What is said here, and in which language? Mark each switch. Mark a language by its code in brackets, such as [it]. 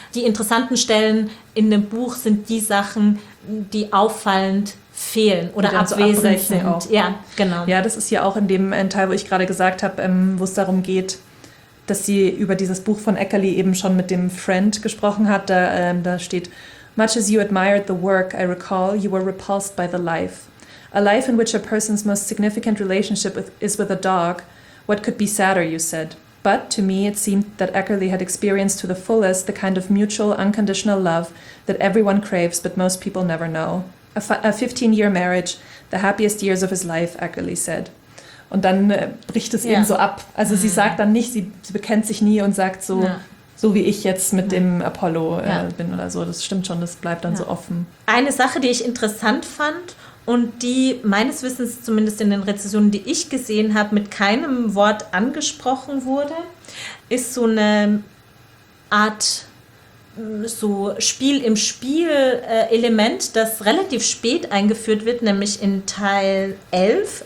[de] Die interessanten Stellen in dem Buch sind die Sachen, die auffallend fehlen oder abwesend sind. Ja, genau. Ja, das ist ja auch in dem Teil, wo ich gerade gesagt habe, wo es darum geht, dass sie über dieses Buch von Eckerli eben schon mit dem Friend gesprochen hat. Da steht, [en] much as you admired the work, I recall you were repulsed by the life. A life in which a person's most significant relationship is with a dog. What could be sadder, you said. But to me, it seemed that Eckerli had experienced to the fullest the kind of mutual, unconditional love that everyone craves, but most people never know. A 15-year marriage, the happiest years of his life, Eckerli said. [de] Und dann bricht es eben so ab. Also sie sagt dann nicht, sie bekennt sich nie und sagt so, so wie ich jetzt mit dem Apollo bin oder so. Das stimmt schon, das bleibt dann so offen. Eine Sache, die ich interessant fand, und die meines Wissens zumindest in den Rezensionen, die ich gesehen habe, mit keinem Wort angesprochen wurde, ist so eine Art so Spiel im Spiel-Element, das relativ spät eingeführt wird, nämlich in Teil 11.